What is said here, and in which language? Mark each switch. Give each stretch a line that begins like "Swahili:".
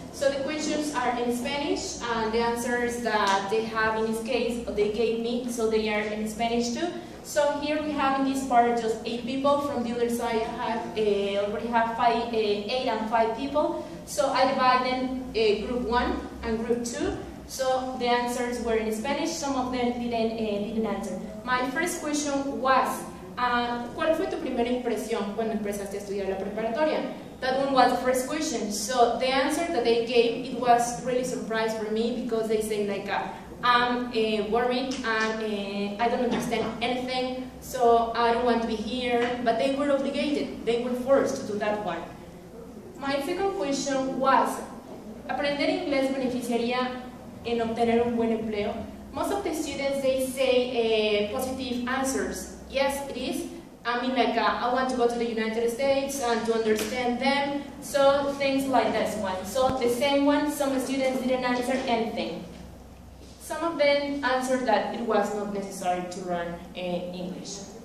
English: So the questions are in Spanish, and the answers that they have in this case, they gave me, so they are in Spanish too. So here we have in this part just eight people. From the other side, I have already have five, eight and five people. So I divide them group one and group two. So the answers were in Spanish. Some of them didn't answer. My first question was,
Spanish: ¿cuál fue tu primera impresión cuando empezaste a estudiar la preparatoria?
English: That one was the first question. So the answer that they gave, it was really surprised for me because they say like, I'm worried and I don't understand anything, so I don't want to be here. But they were obligated. They were forced to do that one. My second question was,
Spanish: ¿aprender inglés beneficiaría en obtener un buen empleo?
English: Most of the students, they say positive answers. Yes, it is. I mean, like, I want to go to the United States and to understand them. So things like this one. So the same one, some students didn't answer anything. Some of them answered that it was not necessary to learn English.